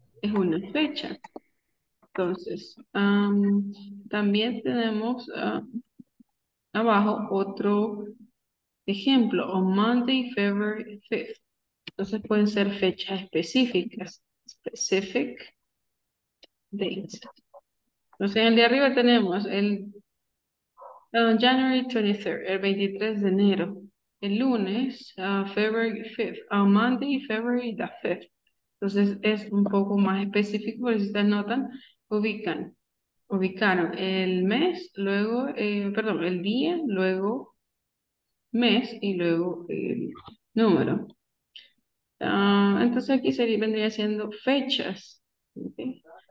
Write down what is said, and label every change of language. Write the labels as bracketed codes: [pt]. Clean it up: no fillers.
[es] Es una fecha. Entonces, también tenemos abajo otro ejemplo. [en] On Monday, February 5th. [es] Entonces pueden ser fechas específicas. [en] Specific dates. [es] Entonces en el de arriba tenemos January 23rd, el 23 de enero. El lunes, [en] February 5th, Monday, February the 5th. [es] Entonces, es un poco más específico, por si ustedes notan, ubicaron el mes, luego, perdón, el día, luego mes y luego el número. Entonces, aquí vendría siendo fechas, ¿okay?